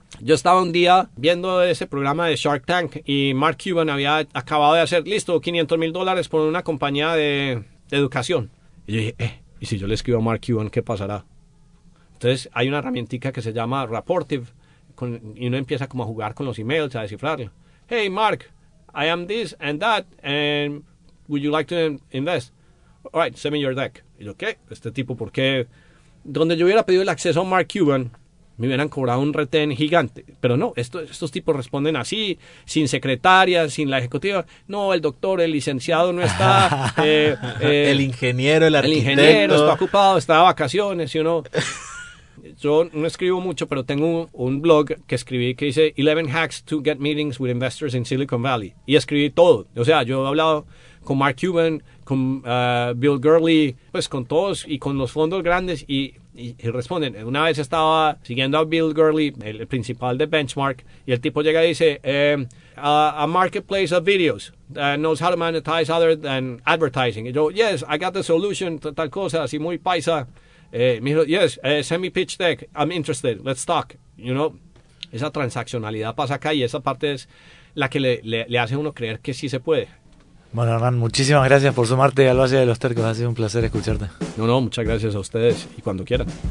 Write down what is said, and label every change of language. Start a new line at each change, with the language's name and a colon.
Spanish: Yo estaba un día viendo ese programa de Shark Tank y Mark Cuban había acabado de hacer, listo, $500,000 por una compañía de educación. Y yo dije, ¿y si yo le escribo a Mark Cuban, qué pasará? Entonces, hay una herramientica que se llama Rapportive y uno empieza como a jugar con los emails, a descifrarlo.
English: Hey, Mark, I am this and that and would you like to invest? All right, send me your deck.
Spanish: Y yo, ¿qué? Este tipo, ¿por qué? Donde yo hubiera pedido el acceso a Mark Cuban, me hubieran cobrado un retén gigante. Pero no, estos tipos responden así, sin secretaria, sin la ejecutiva. No, el doctor, el licenciado no está. El ingeniero, el arquitecto. El ingeniero está ocupado, está de vacaciones.
English: You know.
Spanish: Yo no escribo mucho, pero tengo un blog que escribí que dice
English: 11 hacks to get meetings with investors in Silicon Valley.
Spanish: Y escribí todo. O sea, yo he hablado con Mark Cuban, con Bill Gurley, pues con todos y con los fondos grandes y responden. Una vez estaba siguiendo a Bill Gurley, el principal de Benchmark, y el tipo llega y dice,
English: a marketplace of videos that knows how to monetize other than advertising.
Spanish: Y yo,
English: yes, I got the solution,
Spanish: tal cosa, así muy paisa. Me dijo,
English: yes, send me pitch deck, I'm interested, let's talk. You know,
Spanish: esa transaccionalidad pasa acá y esa parte es la que le hace a uno creer que sí se puede. Bueno, Hernán, muchísimas gracias por sumarte al Valle de los Tercos. Ha sido un placer escucharte. No, no, muchas gracias a ustedes y cuando quieran.